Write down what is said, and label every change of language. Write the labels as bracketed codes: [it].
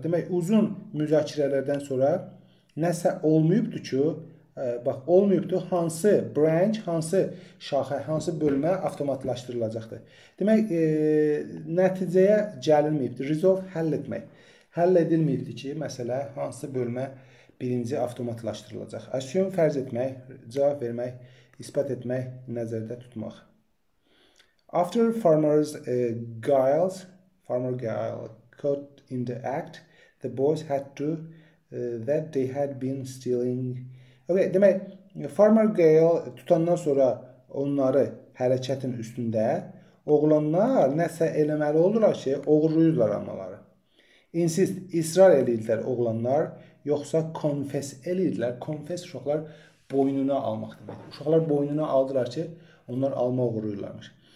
[az] Demək uzun müzakirələrdən sonra nəsə olmayıbdı ki, bax olmayıbdı, hansı branch, hansı şaxə, hansı bölmə avtomatlaşdırılacaqdı. Demək nəticəyə gəlinməyibdi. Resolve həll etmək. Həll edilməyibdi ki, məsələ hansı bölmə birinci avtomatlaşdırılacaq. Assume fərz etmək, cavab vermək, isbat etmək, nəzərdə tutmaq. [en] After farmer's Giles, farmer Giles caught in the act, the boys had to that they had been stealing. [az] Okay, demək farmer Giles tutandan sonra onları hərəkətin üstündə oğlanlar nəsə eləməli olurlar ki, oğurluyurlar anaları. Insist, israr eləyirlər oğlanlar, yoxsa confess eləyirlər. Confess uşaqlar boynuna almaq demək. Uşaqlar boynuna aldılar ki, onlar alma oğurluyurlarmış.